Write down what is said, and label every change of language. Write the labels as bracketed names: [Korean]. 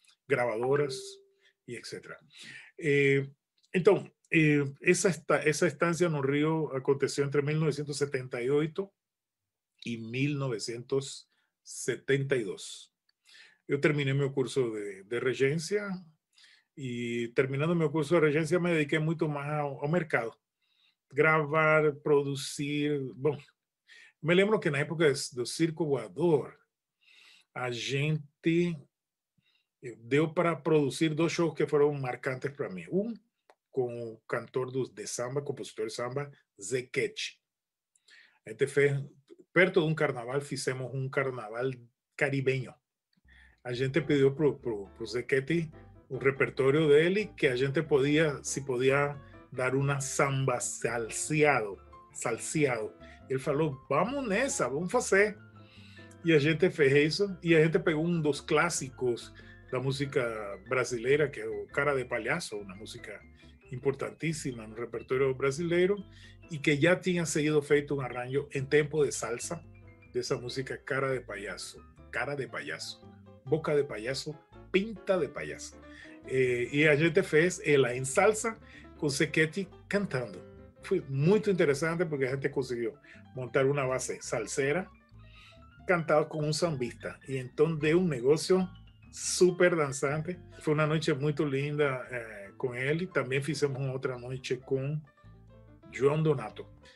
[Spanish] Grabadoras y etc. Entonces, esa estancia en el Río aconteció entre 1978 y 1972. Yo terminé mi curso de regencia y terminando mi curso de regencia me dediqué mucho más al mercado. Grabar, producir, bueno. [Portuguese] Me lembro que na época do Circo Voador, a gente deu para produzir dois shows que foram marcantes para mim. Um com o cantor de samba, compositor de samba, Zé Ketch. A gente fez, perto de um carnaval, fizemos um carnaval caribenho. A gente pediu pro Zé Ketch o repertório dele, que a gente podia, se podia dar uma samba salseado. Salseado. Ele falou, vamos nessa, vamos fazer. E a gente fez isso. E a gente pegou um dos clássicos da música brasileira, que é o Cara de Palhaço, uma música importantíssima no repertório brasileiro, e que já tinha sido feito um arranjo em tempo de salsa dessa música Cara de Palhaço. Cara de Palhaço. Boca de Palhaço, Pinta de Palhaço. E a gente fez ela em salsa com Zé Ketch cantando. [Spanish] Fue muy interesante porque la gente consiguió montar una base salsera cantada con un zambista. Y entonces de un negocio súper danzante. Fue una noche muy linda con él. Y también hicimos otra noche con João Donato.